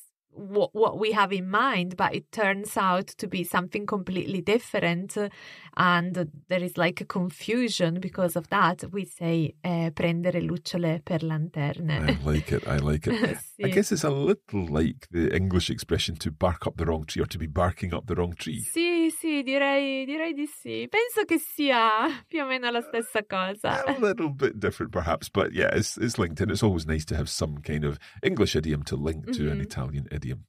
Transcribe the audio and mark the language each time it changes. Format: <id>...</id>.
<en>what we have in mind, but it turns out to be something completely different, and there is like a confusion because of that. We say</en> <it>prendere lucciole per lanterne.</it> <en>I like it.</en> <it>Sì.</it> <en>I guess it's a little like the English expression to bark up the wrong tree, or to be barking up the wrong tree.</en> <it>Sì, direi di sì. Penso che sia più o meno la stessa cosa.</it> <en>A little bit different perhaps, but yeah, it's linked, and it's always nice to have some kind of English idiom to link to mm-hmm. an Italian idiom.</en>